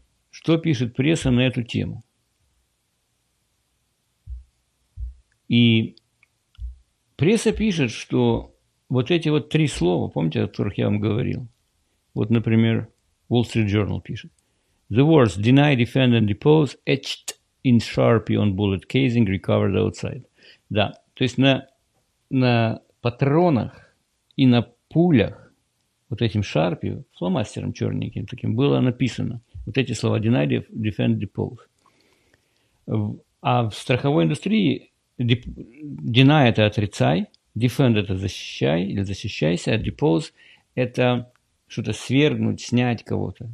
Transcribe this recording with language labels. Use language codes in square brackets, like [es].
[ru] Что пишет пресса на эту тему? И пресса пишет, что вот эти вот три слова, помните, о которых я вам говорил? Вот, например, Wall Street Journal пишет. [en] The words deny, defend and depose etched in Sharpie on bullet casing recovered outside. [ru] Да, то есть на патронах и на пулях вот этим Шарпи, фломастером черненьким таким, было написано вот эти слова [en] «deny, defend, depose». [ru] А в страховой индустрии «deny» – это «отрицай», «defend» – это «защищай» или «защищайся», а «depose» – это что-то свергнуть, снять кого-то.